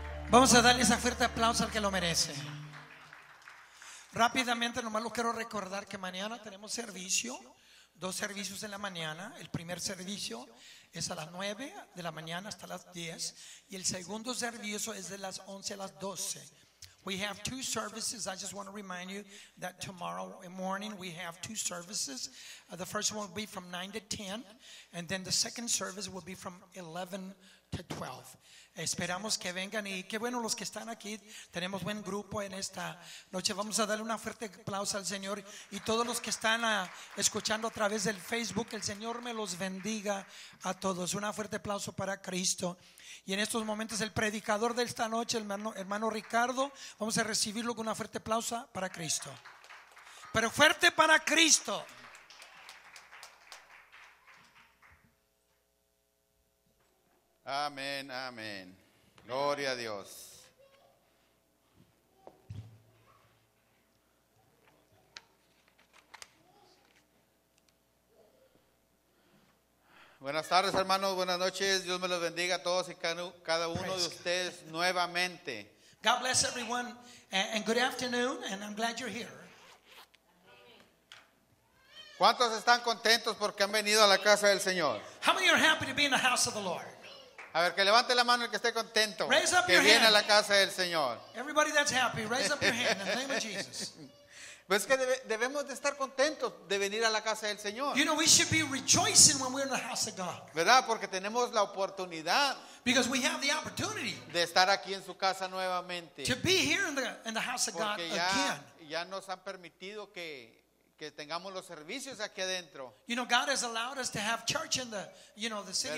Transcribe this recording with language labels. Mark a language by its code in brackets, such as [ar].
[es] Vamos a darle esa fuerte aplauso al que lo merece. Rápidamente, nomás lo quiero recordar que mañana tenemos servicio, dos servicios en la mañana. El primer servicio es a las 9 de la mañana hasta las 10, y el segundo servicio es de las 11 a las 12. [en] We have two services. I just want to remind you that tomorrow morning we have two services. The first one will be from 9 to 10, and then the second service will be from 11 to 12. [es] Esperamos que vengan, y qué bueno los que están aquí. Tenemos buen grupo en esta noche. Vamos a darle un fuerte aplauso al Señor, y todos los que están escuchando a través del Facebook, el Señor me los bendiga a todos. Un fuerte aplauso para Cristo. Y en estos momentos el predicador de esta noche, el hermano Ricardo, vamos a recibirlo con un fuerte aplauso para Cristo. Pero fuerte para Cristo. Amén, amén. Gloria a Dios. Buenas tardes, hermanos. Buenas noches. Dios me los bendiga a todos y cada uno de ustedes nuevamente. [en] God bless everyone and good afternoon, and I'm glad you're here. [es] ¿Cuántos están contentos porque han venido a la casa del Señor? [en] How many are happy to be in the house of the Lord? [es] A ver, que levante la mano el que esté contento, que viene [en] hand [es] a la casa del Señor. [en] Everybody that's happy, raise up your hand in the name of Jesus. [es] Pues que debemos de estar contentos de venir a la casa del Señor. [en] You know, we should be rejoicing when we're in the house of God. [es] ¿Verdad? Porque tenemos la oportunidad. [en] Because we have the opportunity. [es] De estar aquí en su casa nuevamente. [en] To be here in the house of God [es] porque ya, [en] again. [es] Porque ya nos han permitido que tengamos los servicios aquí adentro. [en] You know, God has allowed us to have church in the, you know, the city.